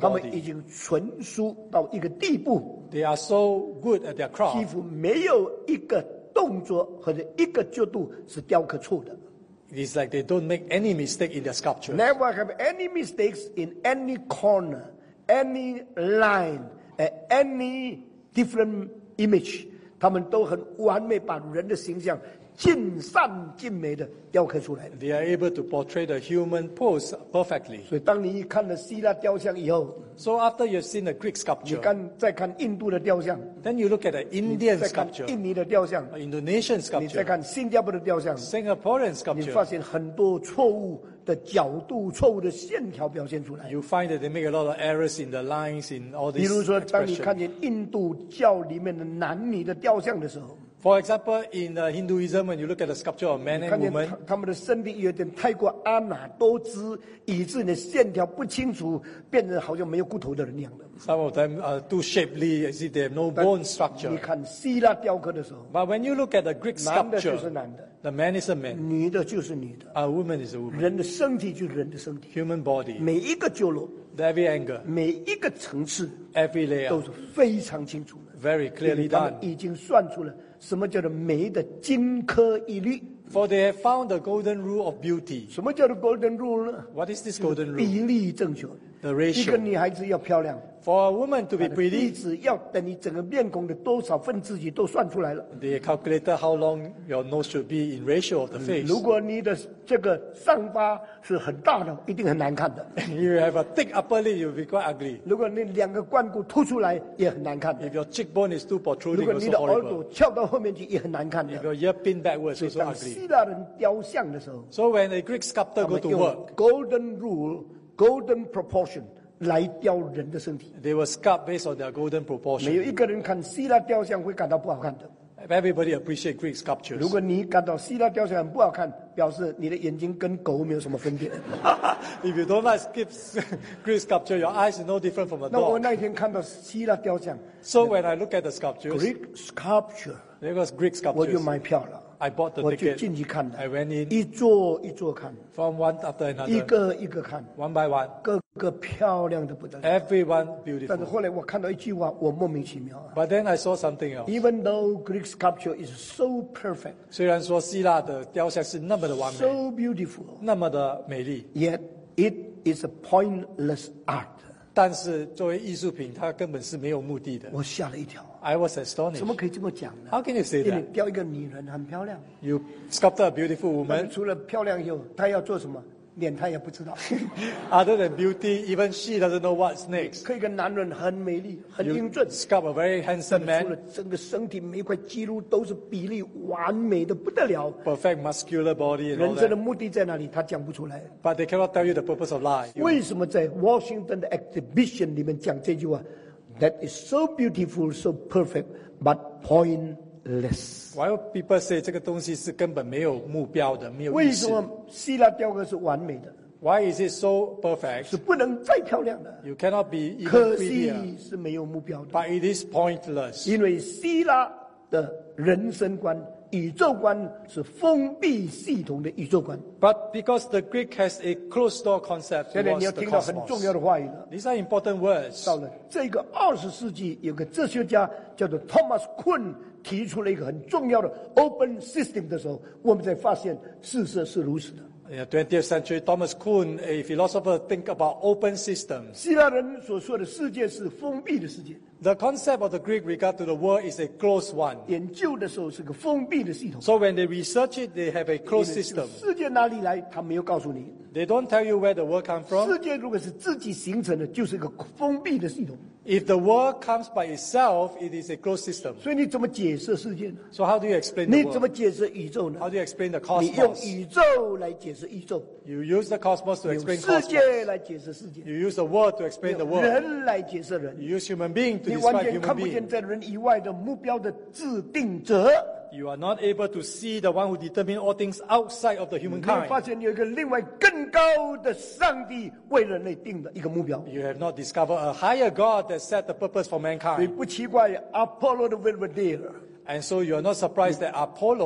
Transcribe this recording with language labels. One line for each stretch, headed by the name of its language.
Chinese: 他们已经纯熟到一个地步，
English: They are so good at their craft.
Chinese: 几乎没有一个动作或者一个角度是雕刻错的。
English: It's like they don't make any mistake in their sculpture. Never have any mistakes in any corner. Any line, any different image,
Chinese: 他们都很完美，把人的形象尽善尽美的雕刻出来。
English: They are able to portray the human pose perfectly.
Chinese: 所以，当你看了希腊雕像以后
English: ，So after you've seen the Greek sculpture,
Chinese: 你看再看印度的雕像
English: ，Then you look at the Indian sculpture,
Chinese: 印尼的雕像
English: ，Indonesian sculpture,
Chinese: 你再看新加坡的雕像
English: ，Singaporean sculpture,
Chinese: 你发现很多错误。的角度错误的线条表现出来。
English: You find that they make a lot of errors in the lines in all these.
Chinese: 比如说，当你看见印度教里面的男女的雕像的时候。
English: For example, in Hinduism, when you look at the sculpture of man and woman,
Chinese: 他们的身体有点太过阿玛多姿，以致你的线条不清楚，变成好像没有骨头的人一样的。
English: Some of them are too shapely, as if they have no bone structure.
Chinese: 你看希腊雕刻的时候
English: ，But when you look at the Greek sculpture,
Chinese: 男的就是男的。
English: The man is a man.
Chinese: 女的就是女的。
English: A woman is a woman.
Chinese: 人的身体就是人的身体。
English: Human body.
Chinese: 每一个角落。
English: Every angle.
Chinese: 每一个层次。
English: Every layer.
Chinese: 都是非常清楚的。
English: Very clearly done.
Chinese: 他们已经算出了什么叫做美的金科一律。
English: For they have found the golden rule of beauty.
Chinese: 什么叫做 golden rule 呢
English: ？What is this golden rule?
Chinese: 比例正确。
English: The ratio.
Chinese: 一个女孩子要漂亮。
English: For a woman to be pretty,
Chinese: 鼻子要等你整个面孔的多少分之几都算出来了。
English: They calculated how long your nose should be in ratio of the face.
Chinese: 如果你的这个上巴是很大的，一定很难看的。
English: You have a thick upper lip, you'll be quite ugly.
Chinese: 如果你两个冠骨凸出来，也很难看的。
English: If your cheekbone is too protruding,
Chinese: 如果你的耳朵翘到后面去，也很难看的。
English: If your ear bent backwards, it's so ugly.
Chinese: 希腊人雕像的时候
English: ，So when a Greek sculptor go to work, golden rule, golden proportion.
Chinese: 来雕人的身体。
English: They were sculpted based on their golden proportion.
Chinese: 没有一个人看希腊雕像会感到不好看的。
English: Everybody appreciate Greek sculptures.
Chinese: 如果你感到希腊雕像很不好看，表示你的眼睛跟狗没有什么分别。
English: If you don't like Greek sculpture, your eyes are no different from a dog.
Chinese: 那我那天看到希腊雕像。
English: So when I look at the sculptures, Greek sculpture, it was Greek sculptures.
Chinese: 我就买票了。
English: I bought the ticket.
Chinese: 我就进去看的。
English: I went in.
Chinese: 一座一座看。
English: From one after another.
Chinese: 一个一个看。
English: One by one.
Chinese: 各个漂亮的不得了。
English: Everyone beautiful.
Chinese: 但是后来我看到一句话，我莫名其妙、
English: But then I saw something else. Even though Greek sculpture is so perfect.
Chinese: 虽然说希腊的雕像是那么的完美。
English: So beautiful.
Chinese: 那么的美丽。
English: Yet it is a pointless art.
Chinese: 但是作为艺术品，它根本是没有目的的。我吓了一跳。
English: I was astonished.
Chinese: 怎么可以这么讲呢？
English: How can you say that?
Chinese: 你雕一个女人很漂亮。
English: You sculpted a beautiful woman.
Chinese: 除了漂亮以后，她要做什么？脸他也不知道。
English: Other than beauty, even she doesn't know what's next.
Chinese: 可以跟男人很美丽，很英俊。
English: You sculpt a very handsome man.
Chinese: 除了整个身体每块肌肉都是比例完美的不得了。
English: Perfect muscular body.
Chinese: 人生的目的在哪里？他讲不出来。
English: But they cannot tell you the purpose of life.
Chinese: 为什么在 Washington 的 exhibition 里面讲这句话 ？
English: That is so beautiful, so perfect, but pointless. Less. Why would people say
Chinese: 这个东西是根本没有目标的，没有意思？为什么希腊雕刻是完美的
English: ？Why is it so perfect?
Chinese: 是不能再漂亮的。
English: You cannot be even prettier.
Chinese: 可惜是没有目标的。
English: But it is pointless.
Chinese: 因为希腊的人生观、宇宙观是封闭系统的宇宙观。
English: But because the Greek has a closed door concept, it was the cosmos.
Chinese: 现在你要听到很重要的话语了。
English: These are important words.
Chinese: 到了这个二十世纪，有个哲学家叫做 Thomas Kuhn。提出了一个很重要的 open system 的时候，我们才发现事实是如此的。
English: 20th century Thomas Kuhn, a philosopher, think about open systems.
Chinese: 希腊人所说的世界是封闭的世界。
English: The concept of the Greek regard to the world is a closed one.
Chinese: 研究的时候是个封闭的系统。
English: So when they research it, they have a closed system.
Chinese: 世界哪里来？他没有告诉你。
English: They don't tell you where the world comes from.
Chinese: 世界如果是自己形成的，就是一个封闭的系统。
English: If the world comes by itself, it is a closed system.
Chinese: 所以你怎么解释世界呢？
English: So how do you explain the world?
Chinese: 你怎么解释宇宙呢？
English: How do you explain the cosmos?
Chinese: 你用宇宙来解释宇宙。
English: You use the cosmos to explain cosmos.
Chinese: 用世界来解释世界。
English: You use the world to explain the world.
Chinese: 人来解释人。
English: You use human being to describe human being.
Chinese: 你完全看不见在人以外的目标的制定者。
English: You are not able to see the one who determines all things outside of the humankind.
Chinese: 你发现有一个另外更高的上帝为人类定的一个目标。
English: You have not discovered a higher God that set the purpose for mankind.
Chinese: 你不奇怪 Apollo 的 Belvedere.
English: And so you are not surprised that Apollo